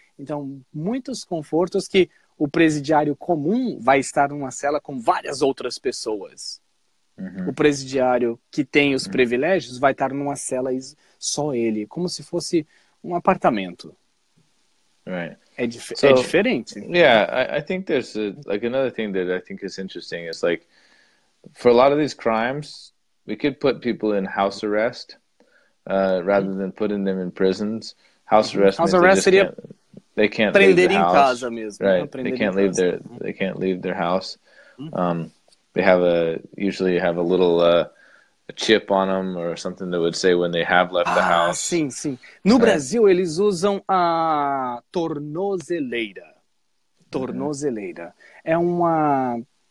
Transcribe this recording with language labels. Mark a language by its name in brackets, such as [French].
[Portuguese] Então, muitos confortos que o presidiário comum vai estar numa cela com várias outras pessoas. Uhum. O presidiário que tem os privilégios vai estar numa cela só ele, como se fosse um apartamento. [English] Right. [Portuguese] So, é diferente. [English] Yeah, I think there's another thing that I think is interesting is like for a lot of these crimes, we could put people in house arrest rather than putting them in prisons. House arrest. [Portuguese] House arrest seria [English] they can't leave their house. [Portuguese] Prender em casa mesmo. [English] Right. They can't leave their house. Mm-hmm. They usually have a little a chip on them or something that would say when they have left the house. [Portuguese] Sim, sim. No Brasil, eles usam a tornozeleira. Tornozeleira. Uhum.